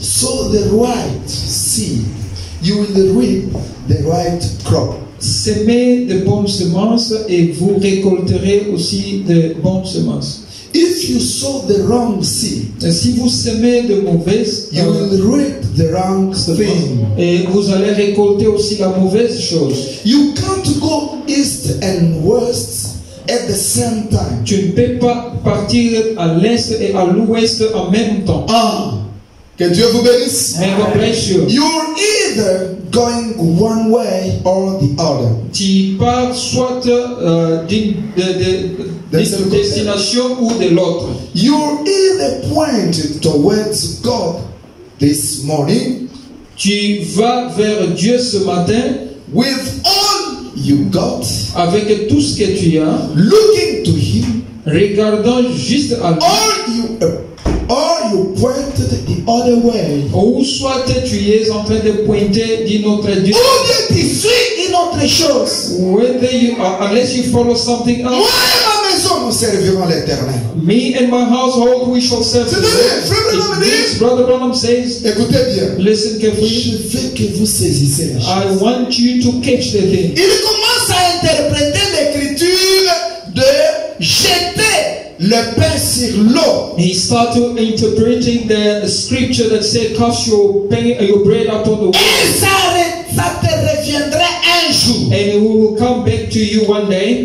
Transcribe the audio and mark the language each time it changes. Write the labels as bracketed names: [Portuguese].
[English] So the right seed, you will reap the right crop. [French] Semez de bonnes semences et vous récolterez aussi de bonnes semences. [English] If you sow the wrong seed, [French] si vous semez de mauvaise, [English] you will reap the wrong thing. [French] Et vous allez récolter aussi la mauvaise chose. [English] You can't go east and west at the same time. [French] Tu ne peux pas partir à l'est et à l'ouest en même temps. Ah, que Dieu vous bénisse. [English] And God bless you. You're either going one way or the other. [French] Tu pars soit d'une destination ou de l'autre. [English] You're either pointed towards God this morning. [French] Tu vas vers Dieu ce matin. [English] With all you got. [French] Avec tout ce que tu as. [English] Looking to Him. [French] Regardant juste à lui. [English] Or you pointed the other way. [French] Ou soit tu es en train de pointer d'une autre direction. [English] Or whether you are, unless you follow something else. [French] Nous servirons l'Éternel. [English] Me and my household, we shall serve. [French] C'est [English] Brother Branham says. [French] Écoutez bien. [English] Listen carefully. [French] Je veux que vous saisissiez la chose. [English] I want you to catch the thing. [French] Il commence à interpréter l'Écriture de jeter le pain sur l'eau. [English] He started interpreting the scripture that said, cast your bread upon the water. [French] Et ça te reviendra un jour. [English] And it will come back to you one day.